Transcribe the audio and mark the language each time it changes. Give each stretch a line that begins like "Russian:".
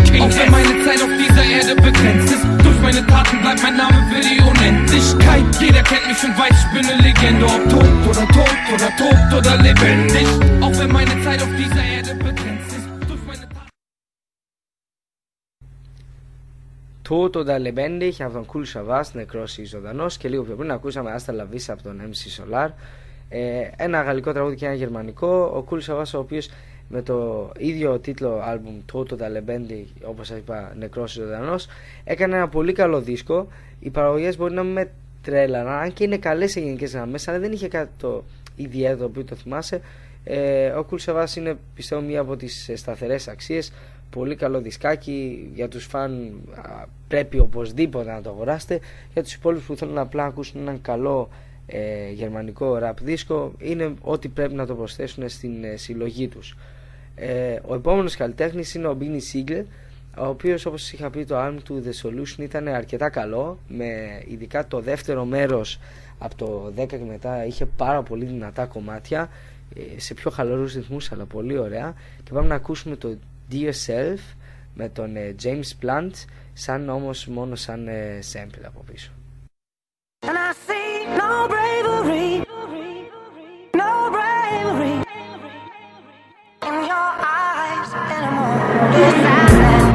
German: King, auch wenn meine Zeit auf dieser Erde begrenzt ist, durch meine Taten bleibt mein Name für die Unendlichkeit. Jeder kennt mich und weiß, ich bin eine Legende. Ob tot oder tot oder tot oder lebendig. Auch wenn meine Zeit auf dieser Erde begrenzt ist, durch meine Taten. Tot oder lebendig, auf dem Cool Shabbat, Necrossi Zodanos.
Greek: Και λίγο πιο πριν ακούσαμε Hasta la Vista από τον MC Solar. Ένα γαλλικό τραγούδι και ένα γερμανικό. Ο Cool Shabbat, ο οποίος με το ίδιο τίτλο άλμπουμ Toto da Lebendi, όπως σας είπα, Νεκρός Ζωντανός, έκανε ένα πολύ καλό δίσκο. Οι παραγωγές μπορεί να με τρέλαναν, αν και είναι καλές σε γενικές γραμμές, αλλά δεν είχε κάτι το ιδιαίτερο που το θυμάσαι. Ο Cool Shabbat είναι, πιστεύω, μία από τις σταθερές αξίες. Πολύ καλό δισκάκι για τους φαν, πρέπει οπωσδήποτε να το αγοράσετε. Για τους υπόλοιπους που θέλουν απλά να ακούσουν έναν καλό γερμανικό rap δίσκο, είναι ό,τι πρέπει να το προσθέσουν στην συλλογή τους. Ο επόμενος καλλιτέχνης είναι ο Beanie Sigel, ο οποίος, όπως είχα πει, το album του The Solution ήταν αρκετά καλό, με ειδικά το δεύτερο μέρος από το 10 και μετά είχε πάρα πολύ δυνατά κομμάτια, σε πιο χαλαρούς ρυθμούς, αλλά πολύ ωραία. Και πάμε να ακούσουμε το Dear Self με τον James Blunt, σαν όμως μόνο σαν sample από πίσω.
English: And I see no bravery, no bravery in your eyes anymore.